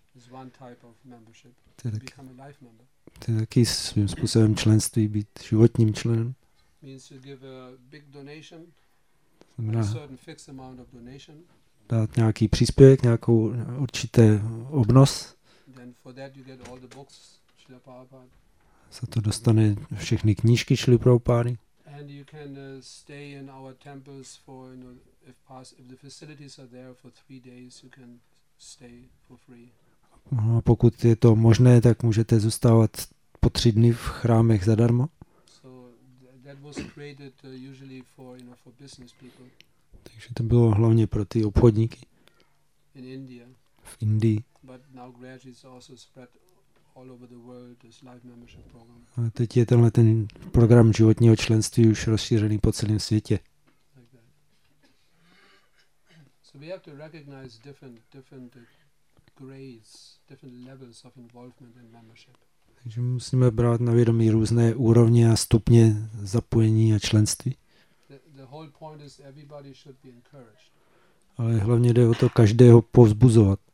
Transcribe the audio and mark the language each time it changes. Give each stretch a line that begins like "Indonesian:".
English: It's one type of membership. Become a life member.
Czech: To je taky svým způsobem členství, být životním členem.
English: Means to give a big donation.
Czech: Znamená
English: a certain fixed amount of donation.
Czech: Dát nějaký příspěvek, nějakou určité obnos.
English: Then for that you get all the books, Srila Prabhupada.
Czech: Za to dostane všechny knížky Srila Prabhupády.
English: And you can stay in our temples for, you know, if the facilities are there for 3 days, you can stay for free.
Czech: No, a pokud je to možné, tak můžete zůstávat po 3 dny v chrámech zadarmo.
English: So that was created usually for, you know, for business people.
Czech: Takže to bylo hlavně pro ty obchodníky.
English: In India.
Czech: V Indii.
English: But now gradually it's also spread all over the world, this life membership program.
Czech: A teď je tenhle ten program životního členství už rozšířený po celém světě.
English: Like so we have to recognize different grades, different levels of involvement in membership.
Czech: Takže musíme brát na vědomí různé úrovně a stupně zapojení a členství.
English: The whole point is everybody should be encouraged.
Czech: Ale hlavně jde o to každého povzbuzovat.